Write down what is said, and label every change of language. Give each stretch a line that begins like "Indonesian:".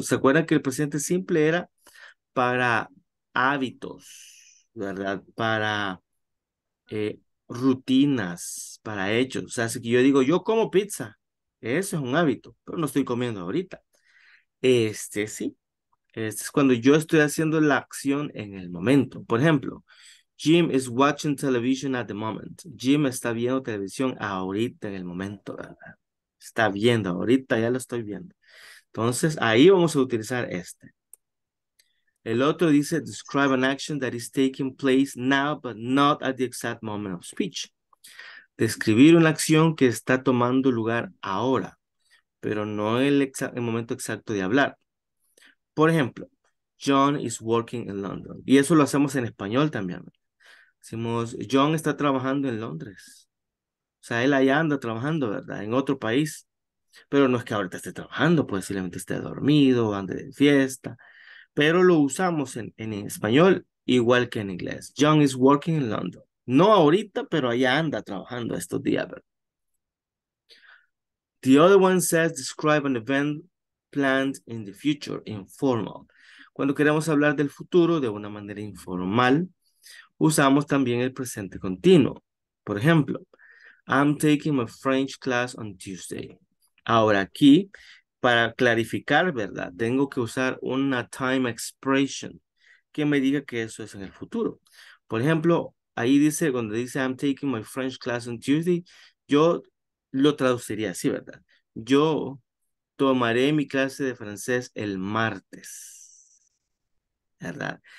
Spanish: ¿Se acuerdan que el presente simple era para hábitos, ¿verdad? Para rutinas, para hechos. O sea, si yo digo, yo como pizza, eso es un hábito, pero no estoy comiendo ahorita. Este sí. Este es cuando yo estoy haciendo la acción en el momento. Por ejemplo,
English: Jim is watching television at the moment.
Spanish: Jim está viendo televisión ahorita en el momento, ¿verdad? Está viendo ahorita, ya lo estoy viendo. Entonces, ahí vamos a utilizar este. El otro dice,
English: describe an action that is taking place now, but not at the exact moment of speech.
Spanish: Describir una acción que está tomando lugar ahora, pero no el, el momento exacto de hablar. Por ejemplo,
English: John is working in London.
Spanish: Y eso lo hacemos en español también. Decimos, John está trabajando en Londres. O sea, él allá anda trabajando, ¿verdad? En otro país. Pero no es que ahorita esté trabajando, posiblemente esté dormido, ande de fiesta. Pero lo usamos en español igual que en inglés.
English: John is working in London.
Spanish: No ahorita, pero allá anda trabajando estos días, ¿verdad?
English: The other one says, describe an event planned in the future, informal.
Spanish: Cuando queremos hablar del futuro de una manera informal, usamos también el presente continuo. Por ejemplo,
English: I'm taking a French class on Tuesday.
Spanish: Ahora aquí, para clarificar, ¿verdad? Tengo que usar una time expression que me diga que eso es en el futuro. Por ejemplo, ahí dice, cuando dice
English: I'm taking my French class on Tuesday,
Spanish: yo lo traduciría así, ¿verdad? Yo tomaré mi clase de francés el martes, ¿verdad?